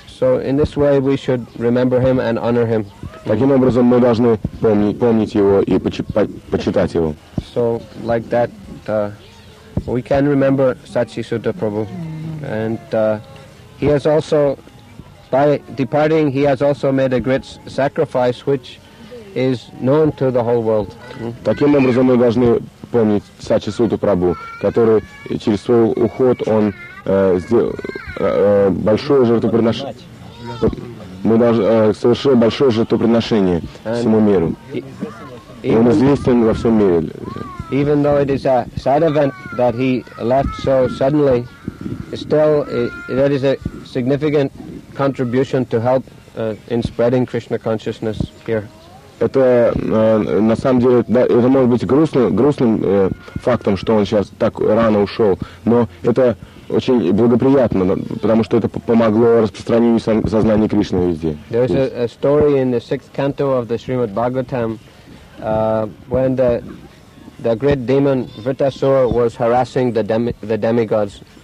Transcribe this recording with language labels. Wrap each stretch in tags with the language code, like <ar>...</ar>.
<en>So in this way we should remember him and honor him.</en> <ru>Таким образом мы должны помнить его и почитать его.</ru> <en>So like that, we can remember Satchisuta Prabhu, and he has also, by departing, he has also made a great sacrifice, which is known to the whole world.</en> <ru>Таким образом мы должны помнить Сачисуту Прабху, который через свой уход он совершил большое жертвоприношение всему миру. Он известен во всем мире.</ru> <en>Even though it is a sad event that he left so suddenly, still that is a significant contribution to help in spreading Krishna consciousness here.</en> <ru>Это на самом деле, да, это может быть грустным фактом, что он сейчас так рано ушел, но это очень благоприятно, потому что это помогло распространению сознания Кришны везде.</ru> <en>There is a story in the sixth canto of the Srimad Bhagavatam when the great demon Vritasura was harassing the demigods.</en>